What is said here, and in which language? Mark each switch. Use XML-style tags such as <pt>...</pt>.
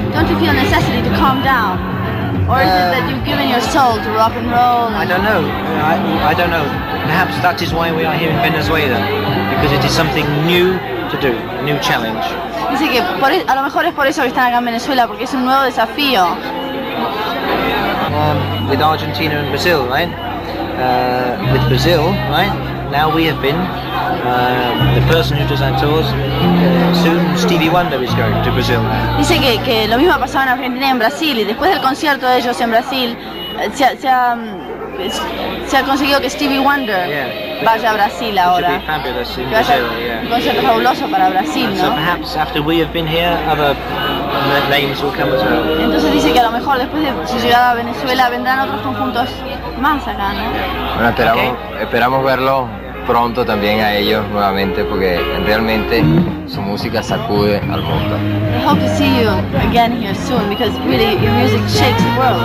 <en>don't you feel a necessity to calm down? Or is it that you've given your soul to rock and roll? I don't know. I don't know. Perhaps that is why we are here in Venezuela, because it is something new to do, a new challenge.</en> <es>Dice que a lo mejor es por eso que están acá en Venezuela, porque es un nuevo desafío.</es> <en>With Argentina and Brazil, right? With Brazil, right? Now we have been, the person who does our tours, soon Stevie Wonder is going to Brazil.</en> <es>Dice que lo mismo ha pasado en Argentina y en Brasil, y después del concierto de ellos en Brasil, se ha conseguido que Stevie Wonder vaya a Brasil ahora. Concierto fabuloso para Brasil,</es> <en>¿no? So perhaps after we have been here, other names will come as well.</en> <es>Entonces dice que a lo mejor después de su llegada a Venezuela vendrán otros conjuntos más acá, ¿no? Bueno, esperamos verlo pronto también a ellos nuevamente, porque realmente su música sacude al mundo.</es> <en>I hope to see you again here soon, because really your music shakes the world.</en>